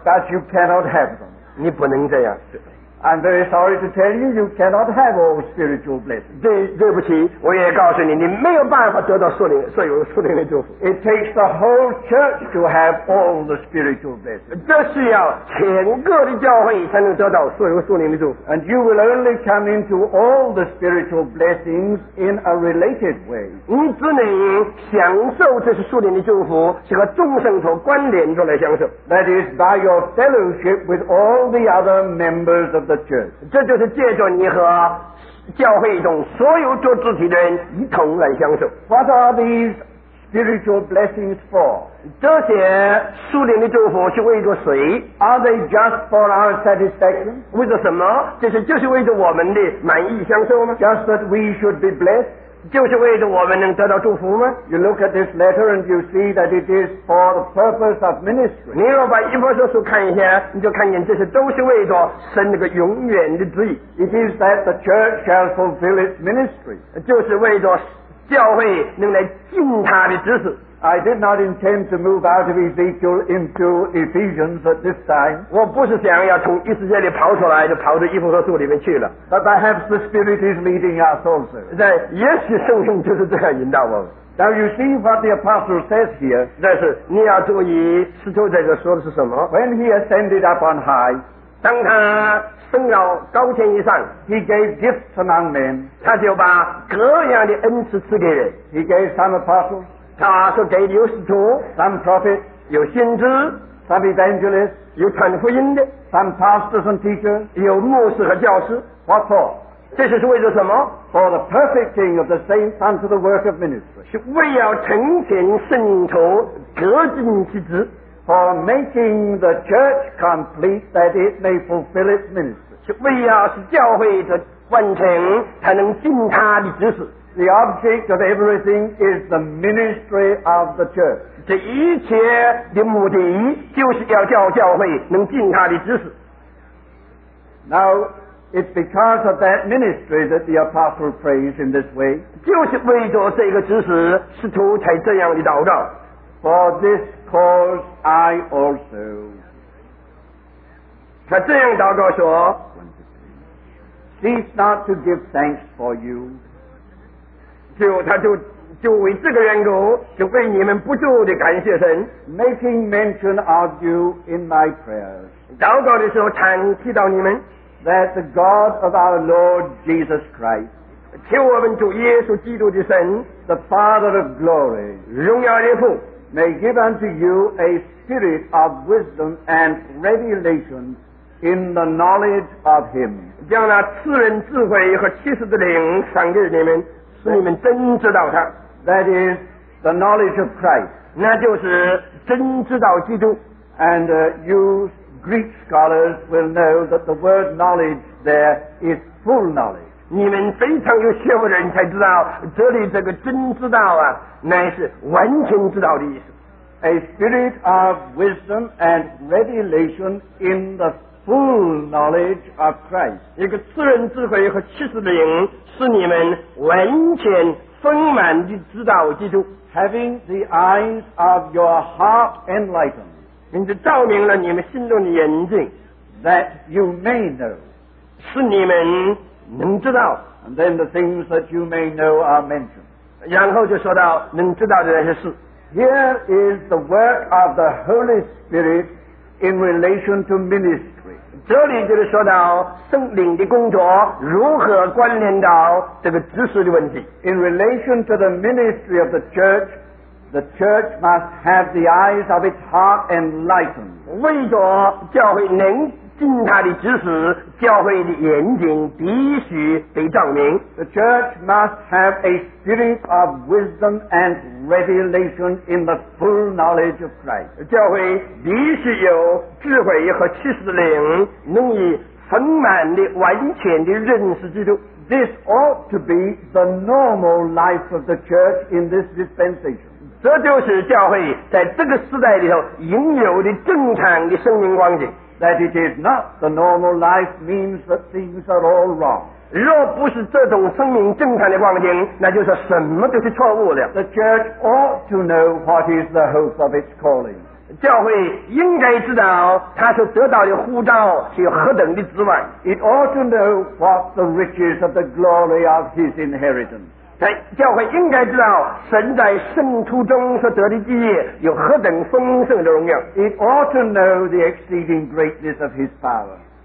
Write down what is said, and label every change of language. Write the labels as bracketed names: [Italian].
[English] But you cannot have them [Chinese] 你不能这样 [English] I'm very sorry to tell you you cannot have all spiritual blessings [Chinese] 对不起我也告诉你你没有办法得到所有属灵的祝福 [English] It takes the whole church to have all the spiritual blessings [Chinese] 这需要全个的教会才能得到所有属灵的祝福 [English] And you will only come into all the spiritual blessings in a related way [Chinese] 你只能享受这些属灵的祝福是和众圣徒关联着来享受 [English] That is by your fellowship with all the other members of the church [Chinese] 这就是借着你和教会中所有做肢体的人一同来享受 [English] What are these spiritual blessings for? [Chinese] 这些属灵的祝福是为着谁 [English] Are they just for our satisfaction? [Chinese] 为着什么这些就是为着我们的满意享受吗 [English] Just that we should be blessed? [Chinese] 就是为着我们能得到祝福吗 [English] You look at this letter and you see that it is for the purpose of ministry [Chinese] 你若把以弗所书看一下你就看见这些都是为着神那个永远的旨意 [English] It is that the church shall fulfill its ministry [Chinese] 就是为着教会能来尽他的职事 [English] I did not intend to move out of Ezekiel into Ephesians at this time [Chinese] 我不是想要从以弗所里跑出来就跑到以弗所书里面去了 [English] But perhaps the Spirit is leading us also [Chinese] 在也许圣灵就是这样引导我们 [English] Now you see what the Apostle says here [Chinese] 但是你要注意使徒在这说的是什么 [English] When he ascended up on high [Chinese] 当他升到高天以上 [English] He gave gifts among men [Chinese] 他就把各样的恩赐赐给人 [English] He gave some apostles [Chinese] 他说给了使徒 [English] Some prophets [Chinese] 有先知 [English] Some evangelists [Chinese] 有传福音的 [English] Some pastors and teachers [Chinese] 有牧师和教师 [English] What for? [Chinese] 这是为了什么 [English] For the perfecting of the saints unto the work of ministry [Chinese] 是为了成全圣徒各尽其职 [English] For making the church complete that it may fulfill its ministry. [Chinese] 是为了使教会的完成才能尽他的职事。 [English] The object of everything is the ministry of the church. [Chinese] 这一切的目的就是要叫教会能尽他的职事。 [English] Now, It's because of that ministry that the apostle prays in this way. [Chinese] 就是为着这个指示，使徒才这样的祷告。 [English] For this cause I also. [Chinese] 他这样祷告说， [English] Cease not to give thanks for you. [Chinese] 就为这个缘故，就为你们不住地感谢神。 [English] Making mention of you in my prayers. [Chinese] 祷告的时候常提到你们。 [English] That the God of our Lord Jesus Christ, [Chinese] 求我们主耶稣基督的神， [English] the Father of glory, [Chinese] 荣耀的父， [English] may give unto you a spirit of wisdom and revelation in the knowledge of him. [Chinese] 将那赐人智慧和启示的灵赏给你们，使你们真知道他。 [English] That is the knowledge of Christ. [Chinese] 那就是真知道基督。 [English] And use Greek scholars will know that the word knowledge there is full knowledge. [Chinese] 你们非常有学问的人才知道，这里这个真知道啊，乃是完全知道的意思。 [English] A spirit of wisdom and revelation in the full knowledge of Christ. [Chinese] 一个赐人智慧和启示的灵，是你们完全丰满的知道基督。 [English] Having the eyes of your heart enlightened. [Chinese] 并且照明了你们心中的眼睛 [English] ，that you may know， [Chinese] 是你们能知道。 [English] And then the things that you may know are mentioned， [Chinese] 然后就说到能知道的那些事。 [English] Here is the work of the Holy Spirit in relation to ministry。 [Chinese] 这里就是说到圣灵的工作如何关联到这个知识的问题。 [English] In relation to the ministry of the church。 The church must have the eyes of its heart enlightened. [Chinese] 为着教会能进他的指示，教会的眼睛必须被照明。 [English] The church must have a spirit of wisdom and revelation in the full knowledge of Christ. [Chinese] 教会必须有智慧和启示的灵，能以丰满的、完全的认识基督。 [English] This ought to be the normal life of the church in this dispensation. [Chinese] 这就是教会在这个时代里头应有的正常的生命光景。 [English] That it is not the normal life means that things are all wrong. [Chinese] 若不是这种生命正常的光景，那就是什么都是错误的。 [English] The church ought to know what is the hope of its calling. [Chinese] 教会应该知道他所得到的呼召是有何等的指望。 [English] It ought to know what the riches of the glory of his inheritance. [Chinese] 教会应该知道神在圣徒中所得的基业有何等丰盛的荣耀。 [English] It ought to know the exceeding greatness of his power.